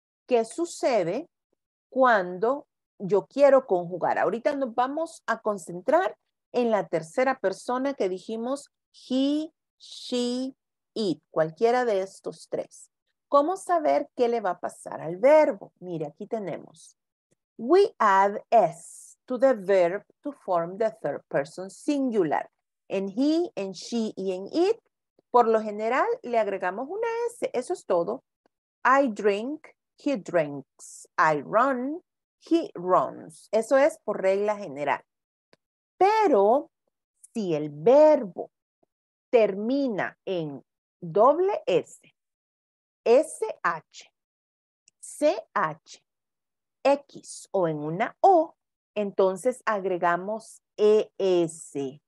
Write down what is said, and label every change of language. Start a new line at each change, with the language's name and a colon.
Spanish: ¿Qué sucede cuando yo quiero conjugar? Ahorita nos vamos a concentrar en la tercera persona que dijimos he, she, it, cualquiera de estos tres. ¿Cómo saber qué le va a pasar al verbo? Mire, aquí tenemos.
English: We add s to the verb to form the third person singular.
Spanish: En he, en she y en it, por lo general le agregamos una s. Eso es todo.
English: I drink, he drinks, I run, he runs.
Spanish: Eso es por regla general. Pero si el verbo termina en doble s, SH, CH, X o en una O, entonces agregamos ES.